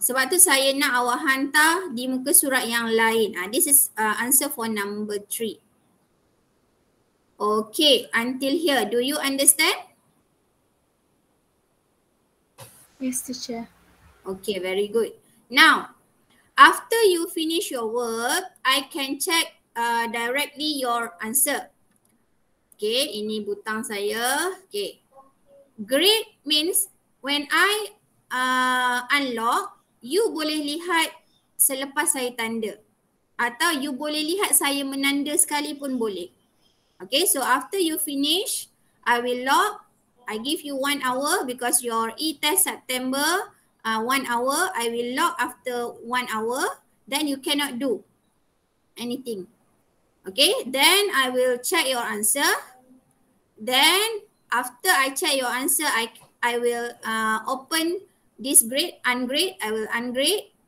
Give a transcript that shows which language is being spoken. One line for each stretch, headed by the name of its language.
Malay: Sebab tu saya nak awak hantar di muka surat yang lain.
English: This is answer for number 3. Okay, until here. Do you understand? Yes, teacher. Okay, very good. Now, after you finish your work, I can check directly your answer.
Malay: Okay, ini butang saya. Okay.
English: Grade means when I unlock,
Malay: you boleh lihat selepas saya tanda. Atau you boleh lihat saya menanda sekali pun boleh.
English: Okay, so after you finish, I will lock. I give you 1 hour because your e-test September, 1 hour. I will lock after 1 hour. Then you cannot do anything. Okay, then I will check your answer. Then after I check your answer, I will open this grade, ungrade. I will ungrade.